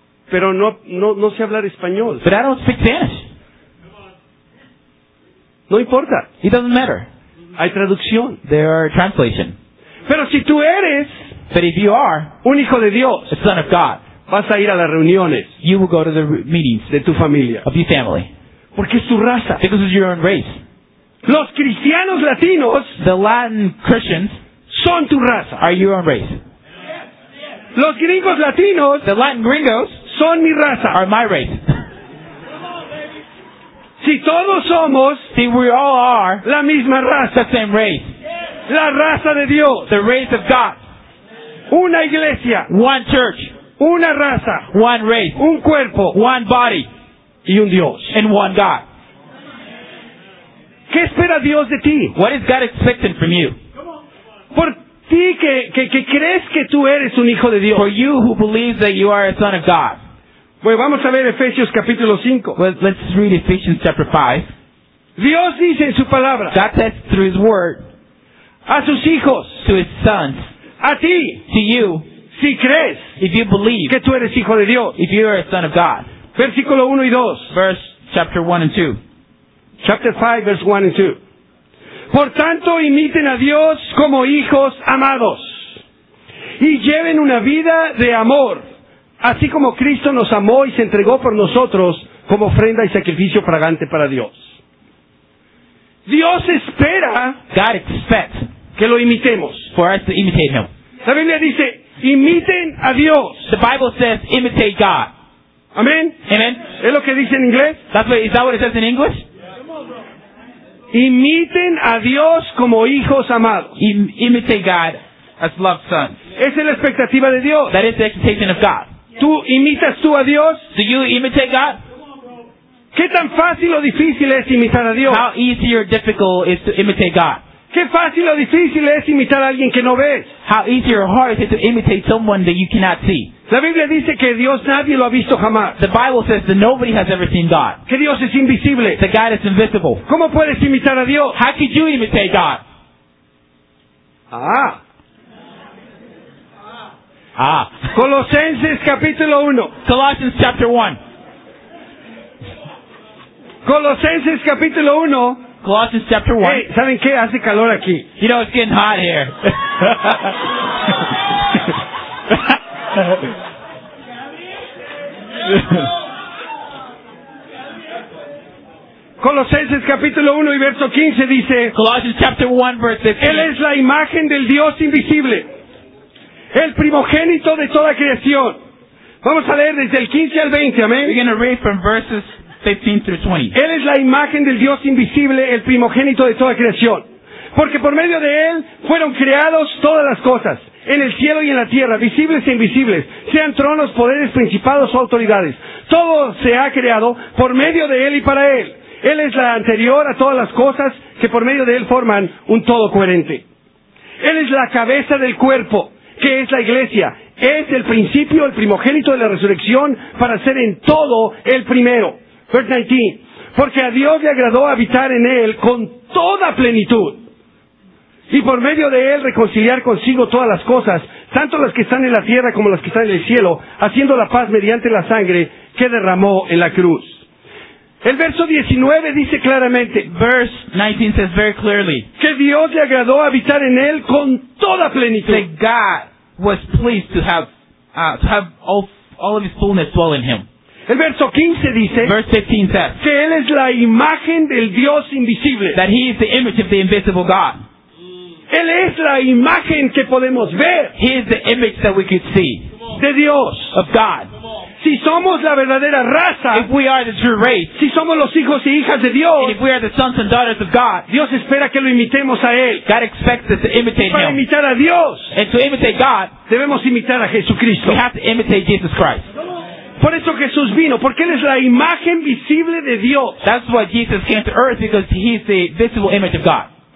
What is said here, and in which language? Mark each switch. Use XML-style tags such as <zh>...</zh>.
<es>Pero no sé hablar español.</es> <en>But I don't speak Spanish.</en> <es>No importa.</es> <en>It doesn't matter.</en> <es>Hay traducción.</es> <en>There are translation.</en> <es>Pero si tú eres,</es> <en>but if you are,</en> <es>un hijo de Dios,</es> <en>a son of God,</en> <es>vas a ir a las reuniones.</es> <en>You will go to the meetings</en> <es>de tu familia.</es> <en>Of your family.</en> <es>Porque es tu raza.</es> <en>Because it's your own race.</en> <es>Los cristianos latinos,</es> <en>the Latin Christians,</en> <es>son tu raza.</es> <en>Are your own race.</en> <es>Los gringos latinos,</es> <en>the Latin gringos,</en> <es>son mi raza.</es> <en>Are my race.</en> <es>Si todos somos,</es> <en>see, we all are,</en> <es>la misma raza,</es> <en>the same race,</en> <es>la raza de Dios,</es> <en>the race of God,</en> <es>una iglesia,</es> <en>one church,</en> <es>una raza,</es> <en>one race,</en> <es>un cuerpo,</es> <en>one body,</en> <es>y un Dios,</es> <en>and one God.</en> <es>¿Qué espera Dios de ti?</es> <en>What is God expecting from you?</en> <es>Por ti que crees que tú eres un hijo de Dios.</es> <en>For you who believes that you are a son of God.</en> <es>Bueno, vamos a ver Efesios capítulo 5.</es> <en>Well, let's read Ephesians chapter 5.</en> <es>Dios dice en su palabra.</es> <en>God says through his word.</en> <es>A sus hijos.</es> <en>To his sons.</en> <es>A ti.</es> <en>To you.</en> <es>Si crees.</es> <en>If you believe.</en> <es>Que tú eres hijo de Dios.</es> <en>If you are a son of God.</en> <es>Versículo 1 y 2.</es> <en>Verse chapter 1 and 2. Chapter 5, verse 1 and 2.</en> <es>Por tanto, imiten a Dios como hijos amados y lleven una vida de amor, así como Cristo nos amó y se entregó por nosotros como ofrenda y sacrificio fragante para Dios. Dios espera,</es> <en>God expects,</en> <es>que lo imitemos.</es> <en>For us to imitate him.</en> <es>La Biblia dice, imiten a Dios.</es> <en>The Bible says, imitate God.</en> <es>Amen.</es> <en>Amen.</en> <es>¿Es lo que dice en inglés?</es> <en>Is that what it says in English?</en> <es>Imiten a Dios como hijos amados.</es> <en>Imitate God as loved sons.</en> <es>Esa es la expectativa de Dios.</es> <en>That is the expectation of God.</en> <es>¿Tú imitas tú a Dios?</es> <en>Do you imitate God?</en> <es>¿Qué tan fácil o difícil es imitar a Dios?</es> <en>How easy or difficult is to imitate God?</en> <es>¿Qué fácil o difícil es imitar a alguien que no ves?</es> <en>How easy or hard is it to imitate someone that you cannot see?</en> <es>La Biblia dice que Dios nadie lo ha visto jamás.</es> <en>The Bible says that nobody has ever seen God.</en> <es>Que Dios es invisible.</es> <en>That God is invisible.</en> <es>¿Cómo puedes imitar a Dios?</es> <en>How could you imitate God? Ah.</en> <es>Colosenses capítulo 1.</es> <en>Colossians chapter 1.</en> <es>Colosenses capítulo 1.</es> <en>Colossians chapter 1.</en> <es>Hey, ¿saben qué? Hace calor aquí.</es> <en>You know, it's getting hot here.</en> <es>Colosenses capítulo 1 y verso 15 dice,</es> <en>Colossians chapter 1 verse 15.</en> <es>Él es la imagen del Dios invisible, el primogénito de toda creación. Vamos a leer desde el 15 al 20, amén.</es> <en>We're going to read from verses 15 through 20.</en> <es>Él es la imagen del Dios invisible, el primogénito de toda creación. Porque por medio de Él fueron creados todas las cosas, en el cielo y en la tierra, visibles e invisibles, sean tronos, poderes, principados o autoridades. Todo se ha creado por medio de Él y para Él. Él es la anterior a todas las cosas que por medio de Él forman un todo coherente. Él es la cabeza del cuerpo, que es la iglesia. Es el principio, el primogénito de la resurrección, para ser en todo el primero.</es> <en>Verse 19.</en> <es>Porque a Dios le agradó habitar en Él con toda plenitud. Y por medio de Él reconciliar consigo todas las cosas, tanto las que están en la tierra como las que están en el cielo, haciendo la paz mediante la sangre que derramó en la cruz. El verso 19 dice claramente,</es> <en>verse 19 says very clearly,</en> <es>que Dios le agradó habitar en Él con toda plenitud.</es> <en>That God was pleased to have all of His fullness dwell in Him.</en> <es>El verso 15 dice,</es> <en>verse 15 says,</en> <es>que Él es la imagen del Dios invisible.</es> <en>That He is the image of the invisible God.</en> <es>Él es la imagen que podemos ver.</es> <en>He is the image that we could see.</en> <es>De Dios.</es> <en>Of God.</en> <es>Si somos la verdadera raza,</es> <en>if we are the true race,</en> <es>si somos los hijos y hijas de Dios,</es> <en>and if we are the sons and daughters of God,</en> <es>Dios espera que lo imitemos a Él.</es> <en>God expects us to imitate</en> <es>para</es> <en>Him.</en> <es>Imitar a Dios,</es> <en>and to imitate God,</en> <es>debemos imitar a Jesucristo.</es> <en>We have to imitate Jesus Christ.</en> <es>Por eso Jesús vino, porque Él es la imagen visible de Dios.</es> <en>That's why Jesus came to earth, because He is the visible image of God.</en>